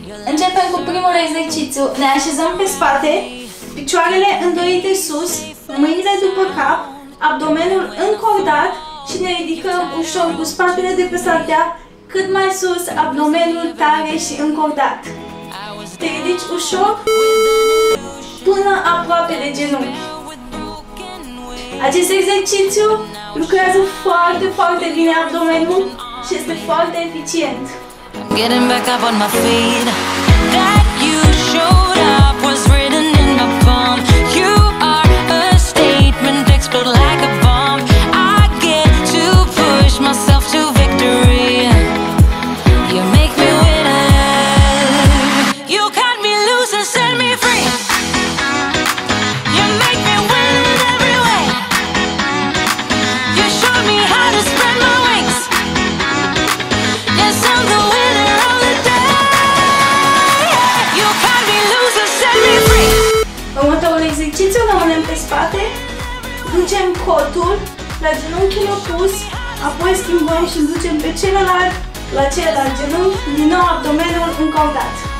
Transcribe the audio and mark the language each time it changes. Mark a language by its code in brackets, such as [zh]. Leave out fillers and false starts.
[ro] Începem cu primul exercițiu. Ne așezăm pe spate, picioarele îndoite sus, mâinile după cap, abdomenul încordat și ne ridicăm ușor cu spatele de pe saltea cât mai sus, abdomenul tare și încordat. Te ridici ușor până aproape de genunchi. Acest exercițiu lucrează foarte, foarte bine abdomenul și este foarte eficient. [en] Getting back up on my feet. That you showed up was written in my palm. You are a statement, explode like a bomb. I get to push myself to victory. You make me winner. You cut me loose and set me free. You make me win in every way. You show me how to spread my wings. Yes, I'm the winner of the day. You cut me loose and set me free. [ro] Următorul exercițiu, rămânem pe spate, ducem cotul la genunchiul opus, apoi schimbăm și ducem pe celălalt la celălalt genunchi, din nou abdomenul încordat.